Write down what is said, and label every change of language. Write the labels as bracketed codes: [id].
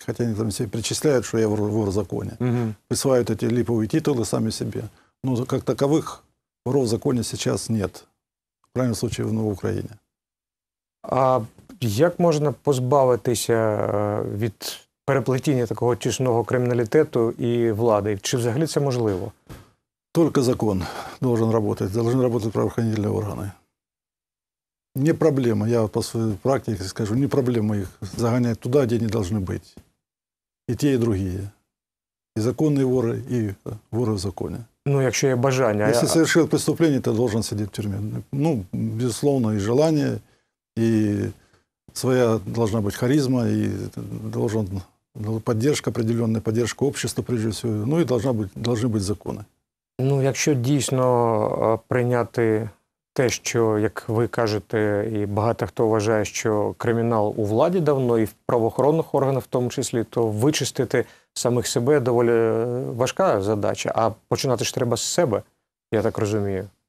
[uk] Хоча вони там себе причисляють, що я вор в законі. Угу. Присваюють ці липові титули самі собі. Ну, як такових ворог в законі зараз [ru] нет. [uk] В крайньому случаю, в Новій Україні. А як можна позбавитися від переплетіння такого тісного криміналітету і влади? Чи взагалі це можливо? Тільки [ru] закон должен работать. Должны работать правоохранительные органы. [uk] Не проблема, я по своїй практиці скажу, не проблема їх заганяти туди, де вони повинні бути. І ті, і другі. І законні вори, і вори в законі. Ну, якщо є бажання. Якщо [ru] совершив преступление, [uk] то должен сидіти в тюрмі. [ru] Ну, безусловно, і желання, і своя должна бути харизма, і должен поддержка определенна, поддержка общества, прежде всего, ну і должны бути закони. [uk] Ну, якщо дійсно прийняти те, що, як ви кажете, і багато хто вважає, що кримінал у владі давно, і в правоохоронних органах в тому числі, то вичистити самих себе доволі важка задача, а починати ж треба з себе, я так розумію.